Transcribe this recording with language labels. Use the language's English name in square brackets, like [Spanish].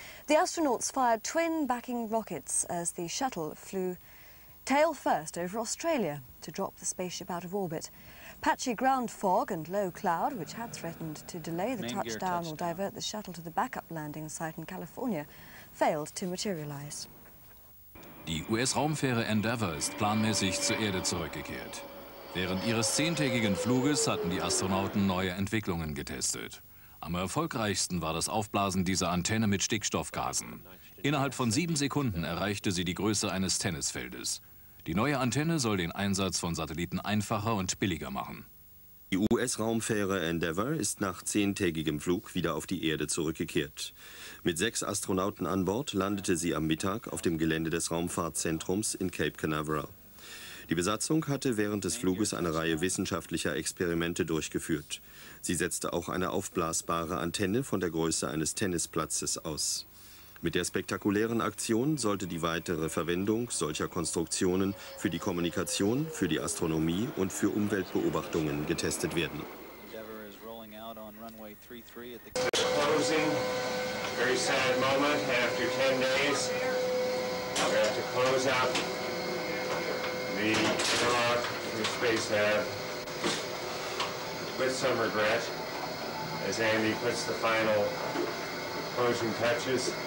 [English] The astronauts fired twin backing rockets as the shuttle flew tail first over Australia to drop the spaceship out of orbit. Patchy ground fog and low cloud, which had threatened to delay the touchdown or divert the shuttle to the backup landing site in California, failed to materialize. [German] Die US-Raumfähre Endeavour ist planmäßig zur Erde zurückgekehrt. Während ihres 10-tägigen Fluges hatten die Astronauten neue Entwicklungen getestet. Am erfolgreichsten war das Aufblasen dieser Antenne mit Stickstoffgasen. Innerhalb von 7 Sekunden erreichte sie die Größe eines Tennisfeldes. Die neue Antenne soll den Einsatz von Satelliten einfacher und billiger machen. Die US-Raumfähre Endeavour ist nach 10-tägigem Flug wieder auf die Erde zurückgekehrt. Mit 6 Astronauten an Bord landete sie am Mittag auf dem Gelände des Raumfahrtzentrums in Cape Canaveral. Die Besatzung hatte während des Fluges eine Reihe wissenschaftlicher Experimente durchgeführt. Sie setzte auch eine aufblasbare Antenne von der Größe eines Tennisplatzes aus. Mit der spektakulären Aktion sollte die weitere Verwendung solcher Konstruktionen für die Kommunikation, für die Astronomie und für Umweltbeobachtungen getestet werden. [English] Endeavour is rolling out on runway 33 at the closing. Very sad moment after 10 days. We have to close out the dark space lab with some regret as Andy puts the final closing touches.